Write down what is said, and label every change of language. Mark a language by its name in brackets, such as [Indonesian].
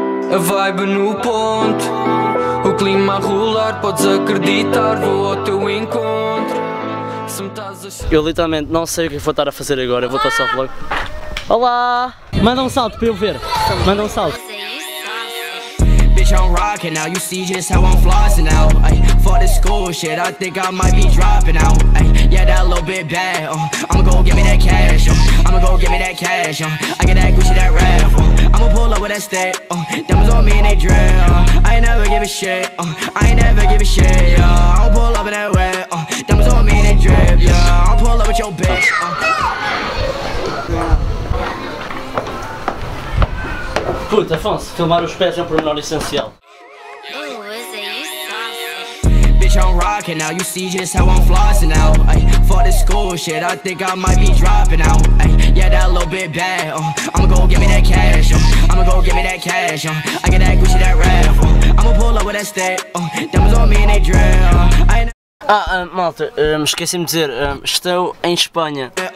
[Portuguese] A vibe no ponto, o clima a rolar, podes acreditar, vou ao teu encontro. Se me estás a chamar... Eu literalmente não sei o que vou estar a fazer agora, eu vou estar só vlog. Olá! Manda um salto para eu ver. Manda um salto. [English] Bitch, I'm rocking now, you see just how I'm flossing now. For the school shit, I think I might be dropping out. Yeah, that little bit bad. I'ma go get me that cash. I'ma go get me that cash. I get that Gucci, that rap. I'ma pull up with that stick. Diamonds on me and they drip. I ain't never give a shit. I ain't never give a shit. Yeah, I'ma pull up in that whip. Diamonds on me and they drip. Yeah, I'ma pull up with your bitch. [Portuguese] Puta, Afonso, filmar os pés é um pormenor essencial. [English] I'm rocking now, you see just how I'm flossing now. For the school shit, I think I might be dropping out. Yeah, that little bit bad. I'ma go get me that cash. I'ma go get me that cash. I get that Gucci, that rap. I'ma pull up with that stick. Diamonds on me and they drip. [Portuguese] Ah, malta, esqueci-me de dizer, estou em Espanha.